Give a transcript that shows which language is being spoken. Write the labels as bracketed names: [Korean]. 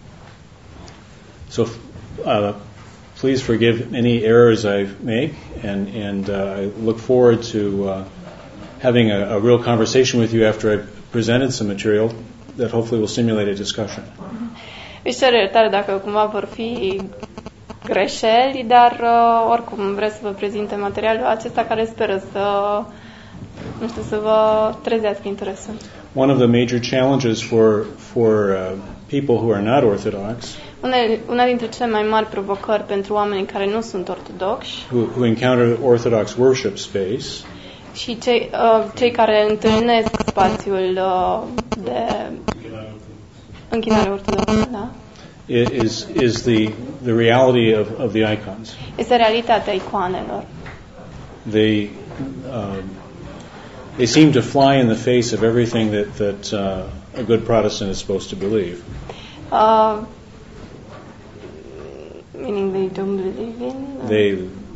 [English] And so please forgive any errors I make, and I look forward to having a real conversation with you after I've presented some material that hopefully will stimulate a discussion. [Romanian] Îmi cer iertare dacă cumva vor fi greșeli, dar oricum vreau să vă prezint materialul acesta care speră să, nu știu, să vă trezească interesul. [English] One of the major challenges for people who are not Orthodox, [Romanian] una dintre cele mai mari provocări pentru oamenii care nu sunt ortodoxi, [English] who encounter Orthodox worship space, [Romanian] și cei care întâlnesc spațiul de închinare ortodoxă, da? [English] Is the reality of the icons. [Romanian] Este realitatea icoanelor. [English] They seem to fly in the face of everything that a good Protestant is supposed to believe. Meaning they don't believe in?